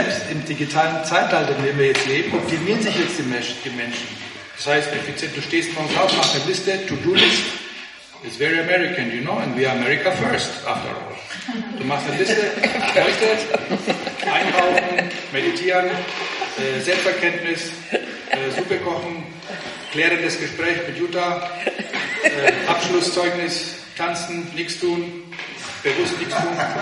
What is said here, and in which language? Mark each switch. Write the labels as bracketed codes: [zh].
[de] Im digitalen Zeitalter, in dem wir jetzt leben, optimieren sich jetzt die Menschen. Das heißt, effizient, du stehst morgens auf, machst eine Liste, To-Do-List. [en] It's very American, you know, and we are America first, after all. [de] Du machst eine Liste, heute, einkaufen, meditieren, Selbsterkenntnis, Suppe kochen, klärendes Gespräch mit Jutta, Abschlusszeugnis, tanzen, nichts tun, bewusst nichts tun.